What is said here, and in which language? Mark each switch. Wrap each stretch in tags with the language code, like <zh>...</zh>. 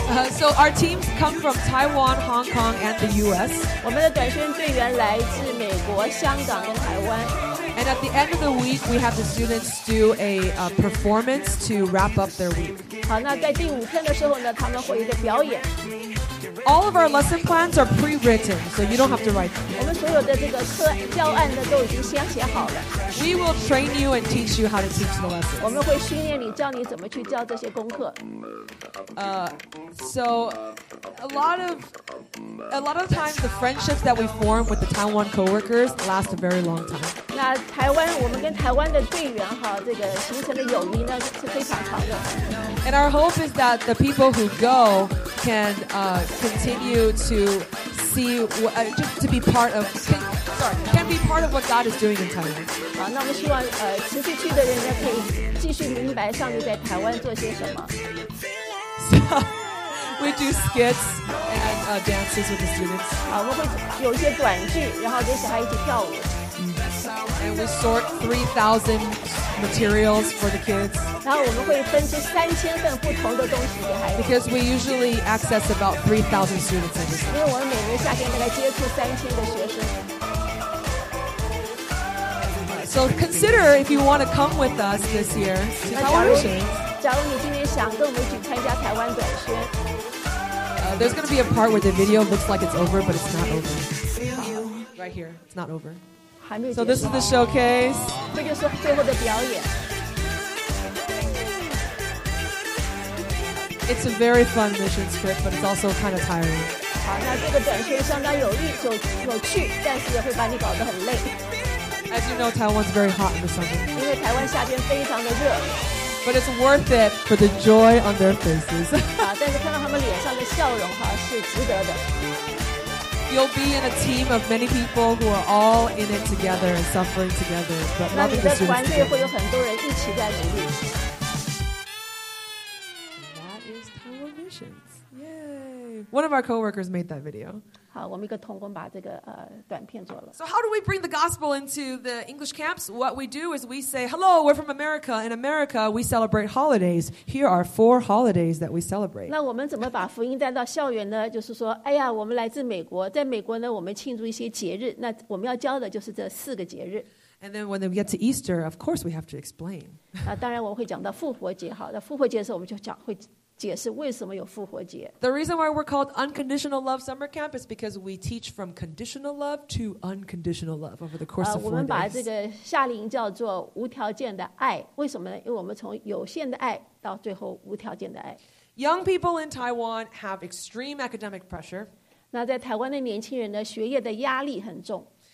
<en>So our teams come from Taiwan, Hong Kong, and the U.S.</en> <zh>我们的短宣队员来自美国、香港跟台湾。</zh> <en>And at the end of the week, we have the students do a performance to wrap up their week.</en> <zh>好，那在第五天的时候呢，他们会有一个表演。</zh> <en>All of our lesson plans are pre-written, so you don't have to write them.</en> <zh>我们所有的这个课教案呢，都已经先写好了。</zh> <en>We will train you and teach you how to teach the lessons.</en> <zh>我们会训练你，教你怎么去教这些功课。</zh> <en>So a lot of times the friendships that we form with the Taiwan coworkers last a very long time.</en> <zh>那台湾，我们跟台湾的队员哈，这个形成的友谊呢是非常长的。</zh> <en>And our hope is that the people who go can continue to see just to be part of. Can be part of what God is doing in Taiwan.</en> <zh>好，那我们希望持续去的人呢，可以继续明白上帝在台湾做些什么。</zh> <en>We do skits and dances with the students.</en> <zh>好，我们会有一些短剧，然后跟小孩一起跳舞。</zh> <en>And we sort 3,000 materials for the kids.</en> <zh>然后我们会分析3,000份不同的东西给孩子。</zh> <en>Because we usually access about 3,000 students.</en> <zh>因为我们每年夏天大概接触3,000个学生。</zh> <en>So consider if you want to come with us this year to Taiwan missions.</en> <zh>假如你今年想跟我们一起参加台湾短宣。</zh> <en>There's going to be a part where the video looks like it's over, but it's not over. Right here, it's not over. So this is the showcase.</en> <zh>这就是最后的表演。</zh> <en>It's a very fun mission trip, but it's also kind of tiring.</en> <zh>好，那这个短宣相当有力，有趣，但是也会把你搞得很累。</zh> <en>As you know, Taiwan's very hot in the summer.</en> <zh>因为台湾夏天非常的热。</zh> <en>But it's worth it for the joy on their faces.</en> <zh>但是看到他们脸上的笑容哈，是值得的。</zh> <en>You'll be in a team of many people who are all in it together and suffering together, but loving the students.</en> <zh>那你的团队会有很多人一起在努力。</zh> <en>That is Taiwan missions. Yay! One of our coworkers made that video. So how do we bring the gospel into the English camps? What we do is we say, hello, we're from America. In America, we celebrate holidays. Here are 4 holidays that we celebrate.</en> <zh>那我们怎么把福音带到校园呢？就是说，哎呀，我们来自美国，在美国呢，我们庆祝一些节日。那我们要教的就是这四个节日。</zh> <en>And then when we get to Easter, of course we have to explain.</en> <zh>那当然我会讲到复活节。好，那复活节的时候我们就讲会。解释为什么有复活节。</zh> <en>The reason why we're called Unconditional Love Summer Camp is because we teach from conditional love to unconditional love over the course of 4 days.</en> <zh>我们把这个夏令营叫做无条件的爱，为什么呢？因为我们从有限的爱到最后无条件的爱。</zh> <en>Young people in Taiwan have extreme academic pressure.</en> <zh>那在台湾的年轻人呢，学业的压力很重。</zh>